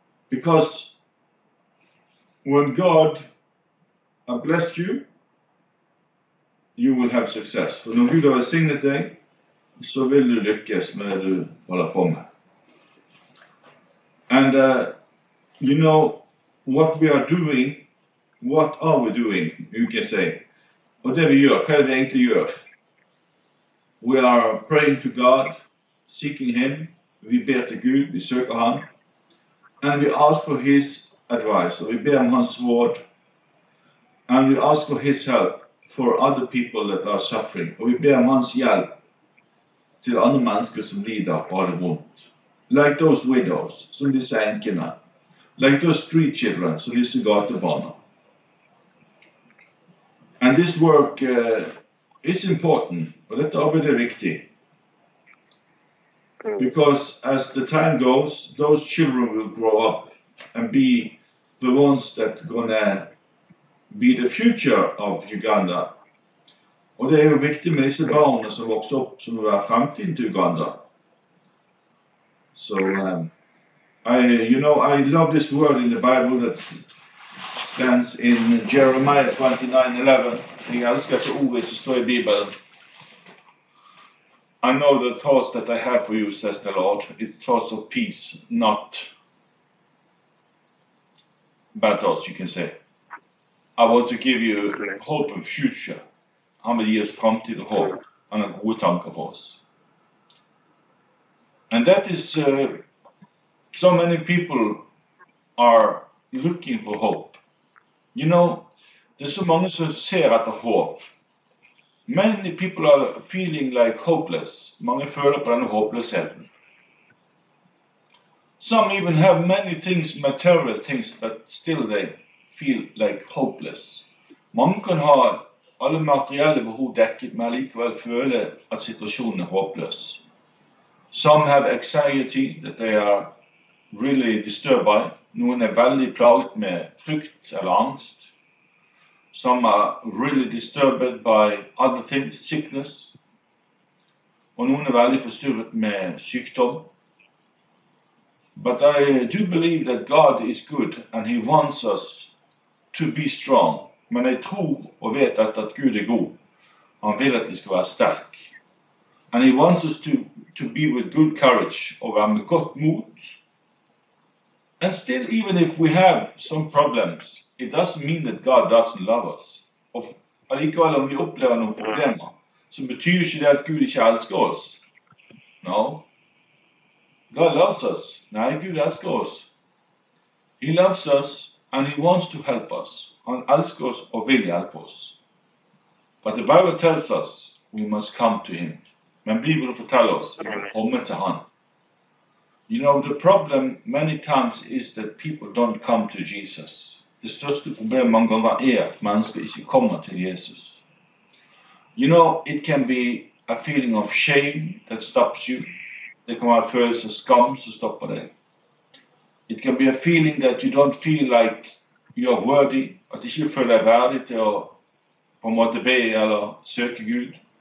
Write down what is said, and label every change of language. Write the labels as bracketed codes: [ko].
[en] Because when God has blessed you, you will have success. [no] For når Gud har velsignet deg, så vil du lykkes med det du holder på med. [en] And you know, what we are doing, what are we doing, you can say. [no] Og det vi gjør, hva det egentlig gjør? [en] We are praying to God, seeking Him, [no] vi ber til Gud, vi søker Han, [en] and we ask for His advice, [no] og vi ber om Hans råd, [en] and we ask for His help for other people that are suffering, [no] og vi ber om Hans hjelp til andre mennesker som lider på det vondt. [en] Like those widows, [no] som disse enkene. [en] Like those three children, so this is God the Father. And this work is important, but it's already viktig. Because as the time goes, those children will grow up and be the ones that are going to be the future of Uganda. [no] Og det jo viktig med disse barna som vokser opp, som vil være fremtiden til Uganda. [en] So, I love this word in the Bible that stands in Jeremiah 29:11. I know the thoughts that I have for you, says the Lord. It's thoughts of peace, not bad thoughts, you can say. I want to give you hope of future. How many years prompted hope and a good tongue of us. And that is so many people are looking for hope. You know, there's so many who ser at the hope. Many people are feeling like hopeless. [no] Mange føler på den hopeløsheten. [en] Some even have many things, material things, but still they feel like hopeless. [no] Mange kan ha alle materielle behov dekket, men likevel føle at situasjonen hopeless. [en] Some have anxiety that they are really disturbed by. [no] Noen veldig plaget med frykt eller angst. [en] Some are really disturbed by other things, sickness. [no] Og noen veldig forstyrret med sykdom. [en] But I do believe that God is good and He wants us to be strong. [no] Men jeg tror og vet at Gud god. Han vil at vi skal være sterk. [en] And He wants us to be with good courage [no] og være med godt mot. [en] And still, even if we have some problems, it doesn't mean that God doesn't love us. [no] Og allikevel om vi opplever noen problemer, så betyr ikke det at Gud ikke elsker oss. [en] No. God loves us. [no] Nei, Gud elsker oss. [en] He loves us and he wants to help us. [no] Han elsker oss og vil hjelpe oss. [en] But the Bible tells us we must come to him. [no] Men Bibelen forteller oss at vi må komme til han. [en] You know, the problem many times is that people don't come to Jesus. [no] Det største problemet mange ganger at mennesker ikke kommer til Jesus. [en] You know, it can be a feeling of shame that stops you. [no] Det kan være følelse av skam som stopper deg. [en] It can be a feeling that you don't feel like you're worthy, [no] at du ikke føler deg verdig til å på en måte be eller søke Gud.